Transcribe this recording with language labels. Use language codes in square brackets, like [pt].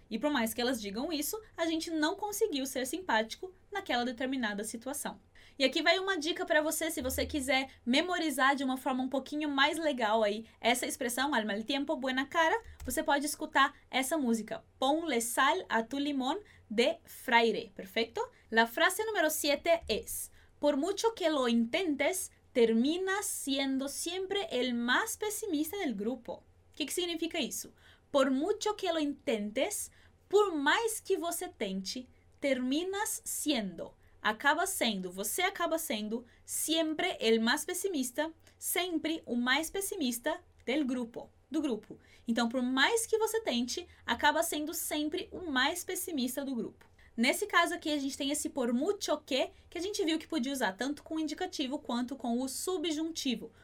[pt] E por mais que elas digam isso, a gente não conseguiu ser simpático naquela determinada situação. E aqui vai uma dica para você, se você quiser memorizar de uma forma um pouquinho mais legal aí essa expressão, [es] al mal tiempo, buena cara, [pt] você pode escutar essa música, Ponle sal a tu limón, de Fraire, perfeito? [es] La frase número 7 es: por mucho que lo intentes, terminas siendo siempre el más pesimista del grupo. ¿Qué significa eso? Por mucho que lo intentes, [pt] por más que você tente, [es] terminas siendo. [pt] acaba sendo, você acaba sendo sempre [es] el más pessimista, [pt] sempre o mais pessimista [es] del grupo, [pt] do grupo. Então, por mais que você tente, acaba sendo sempre o mais pessimista do grupo. Nesse caso aqui, a gente tem esse por mucho que a gente viu que podia usar tanto com o indicativo quanto com o subjuntivo.